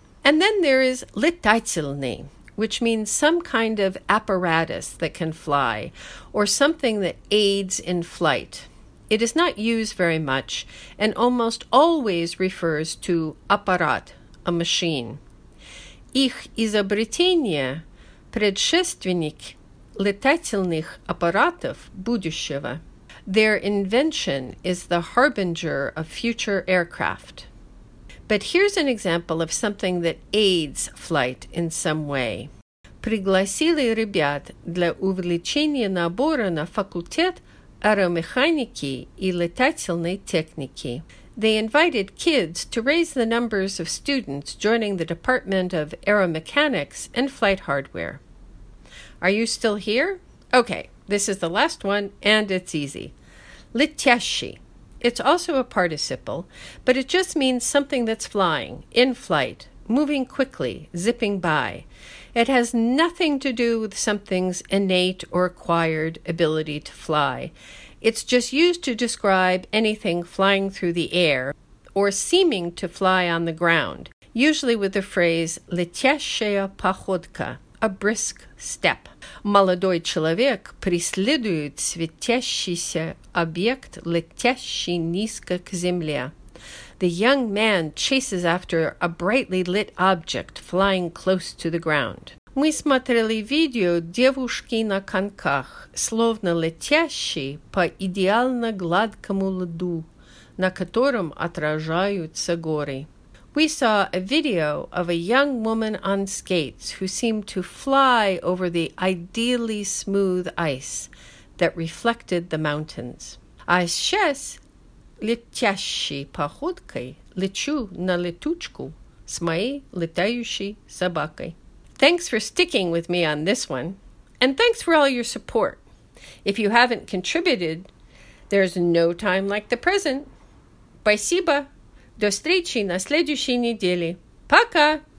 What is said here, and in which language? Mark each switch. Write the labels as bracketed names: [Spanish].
[English] And then there is летательный, which means some kind of apparatus that can fly, or something that aids in flight. It is not used very much, and almost always refers to аппарат, a machine. [Russian] Их изобретение – предшественник летательных аппаратов будущего. [English] Their invention is the harbinger of future aircraft. But here's an example of something that aids flight in some way. [Russian] Пригласили ребят для увеличения набора на факультет аэромеханики и летательной техники. [English] They invited kids to raise the numbers of students joining the Department of Aeromechanics and Flight Hardware. Are you still here? Okay, this is the last one, and it's easy. [Russian] Летящий. [English] It's also a participle, but it just means something that's flying, in flight, moving quickly, zipping by. It has nothing to do with something's innate or acquired ability to fly. It's just used to describe anything flying through the air or seeming to fly on the ground, usually with the phrase [Russian] «летящая походка», [English] a brisk step. [Russian] Молодой человек преследует светящийся объект, летящий низко к земле. [English] The young man chases after a brightly lit object flying close to the ground. [Russian] Мы смотрели видео девушки на коньках, словно летящей по идеально гладкому льду, на котором отражаются горы. [English] We saw a video of a young woman on skates who seemed to fly over the ideally smooth ice that reflected the mountains. [Russian] А сейчас летящей походкой лечу на летучку с моей летающей собакой. [English] Thanks for sticking with me on this one, and thanks for all your support. If you haven't contributed, there's no time like the present. [Russian] Спасибо. До встречи на следующей неделе. Пока!